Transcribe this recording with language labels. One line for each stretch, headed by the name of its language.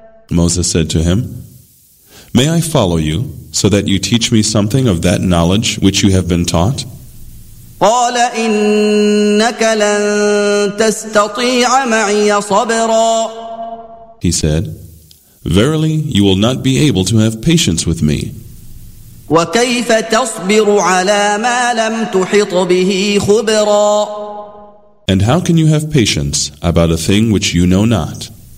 English: Moses said to him, may I follow you so that you teach me something of that knowledge which you have been taught?
Arabic: قال إنك لن تستطيع معي صبرا.
English: He said, Verily, you will not be able to have patience with me.
Arabic: وكيف تصبر على ما لم تحط به خبرا.
English: And how can you have patience about a thing which you know not?